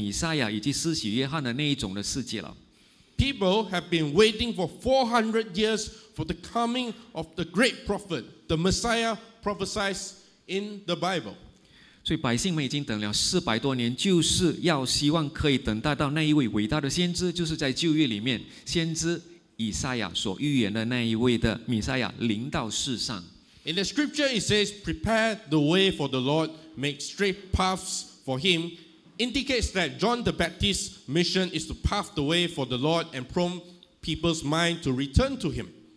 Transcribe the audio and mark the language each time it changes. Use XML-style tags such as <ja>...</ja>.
<zh>所以在这个新约还没有开始700之年前呢，这个先知以赛亚已经预言了这个弥赛亚以及施洗约翰的那一种的世界了。</zh> <en>People have been waiting for 400 years for the coming of the great prophet, the Messiah prophesied in the Bible.</en> <zh>所以百姓们已经等了400多年，就是要希望可以等待到那一位伟大的先知，就是在旧约里面先知以赛亚所预言的那一位的弥赛亚临到世上。</zh> <en>In the scripture it says, prepare the way for the Lord, make straight paths for him. Indicates that John the Baptist's mission is to pave the way for the Lord and prompt people's mind to return to him.</en>